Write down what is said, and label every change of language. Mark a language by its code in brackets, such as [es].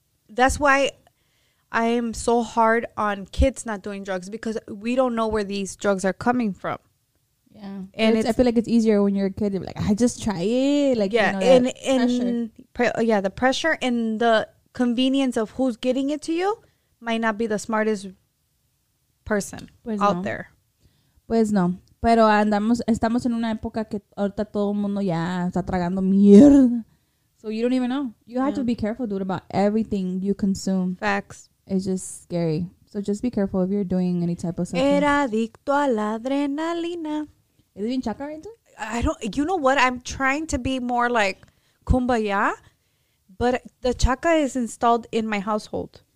[en] That's why I am so hard on kids not doing drugs, because we don't know where these drugs are coming from. Yeah. And I feel like it's easier when you're a kid. You're like, I just try it. Like, yeah. You know, the pressure and the convenience of who's getting it to you might not be the smartest person there. [es] Pues no. Pero estamos en una época que ahorita todo el mundo ya está tragando mierda. [en] So you don't even know. You have to be careful, dude, about everything you consume. Facts. It's just scary. So just be careful if you're doing any type of something. [es] Era adicto a la adrenalina. [en] Is it being chakra right now? I don't. You know what? I'm trying to be more like kumbaya, but the chakra is installed in my household.